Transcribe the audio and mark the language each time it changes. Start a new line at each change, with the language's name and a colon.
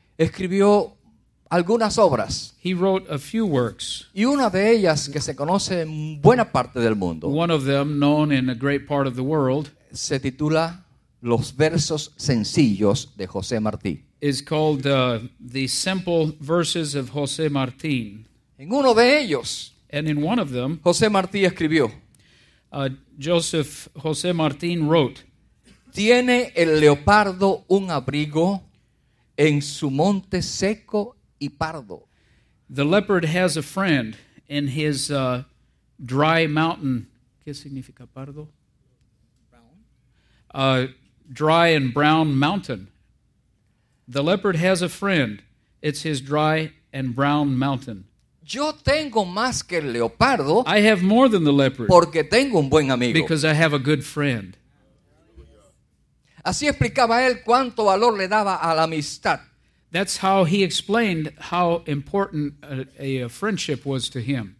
Spanish: Escribió algunas obras.
English: He wrote a few works.
Spanish: Y una de ellas que se conoce en buena parte del mundo.
English: One of them known in a great part of the world.
Spanish: Se titula Los versos sencillos de José Martí.
English: Is called The Simple Verses of José Martín.
Spanish: En uno de ellos.
English: And in one of them.
Spanish: José Martí escribió.
English: Joseph José Martín wrote.
Spanish: Tiene el leopardo un abrigo en su monte seco y pardo.
English: The leopard has a friend in his dry mountain.
Spanish: ¿Qué significa pardo?
English: Brown. Dry and brown mountain. The leopard has a friend. It's his dry and brown mountain.
Spanish: Yo tengo más que el leopardo.
English: I have more than the leopard.
Spanish: Porque tengo un buen amigo.
English: Because I have a good friend.
Spanish: Así explicaba él cuánto valor le daba a la amistad.
English: That's how he explained how important a friendship was to him.